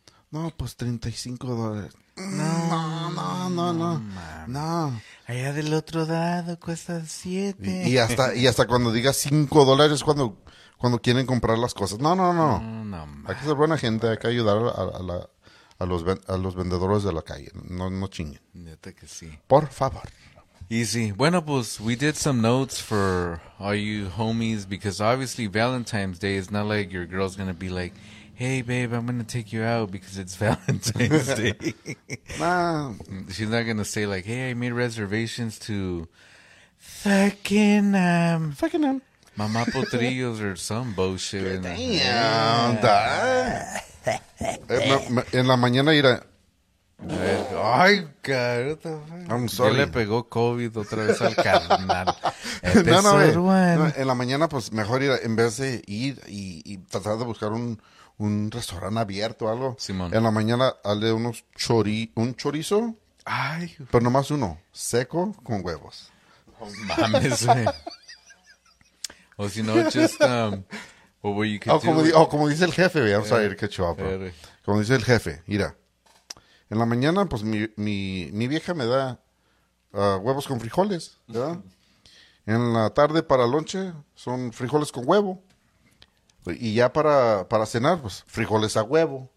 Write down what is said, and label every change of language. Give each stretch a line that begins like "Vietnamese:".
Spanish: No, pues $35. No. Allá del otro lado cuesta 7. Y hasta cuando diga $5 cuando... Cuando quieren comprar las cosas. No, no, no. Hay que ser buena gente. Hay que ayudar a los vendedores de la calle. No, no chinguen. Neta que sí. Por favor.
English: Easy.
Spanish: Bueno, pues,
English: we did some notes for all you homies. Because obviously, Valentine's Day is not like your girl's going to be like, hey, babe, I'm going to take you out because it's Valentine's Day. Nah. She's not going to say like, hey, I made reservations to fucking Mama Potrillos or some bullshit.
Spanish: Damn. En la mañana irá. Ay, carota.
English: I'm sorry.
Spanish: Ya le pegó COVID otra vez al carnal. No, en la mañana, pues mejor ir, en vez de ir y tratar de buscar un restaurante abierto o algo. Simón. En la mañana, hazle un chorizo. Ay. Pero nomás uno, seco con huevos. Oh, mames, güey. O si no,
English: just, what were you could do?
Spanish: Como dice el jefe,
English: I'm sorry to catch you up, bro.
Spanish: Como dice el jefe, mira, en la mañana, pues, mi vieja me da huevos con frijoles, ¿verdad? En la tarde, para lonche, son frijoles con huevo. Y ya para cenar, pues, frijoles a huevo.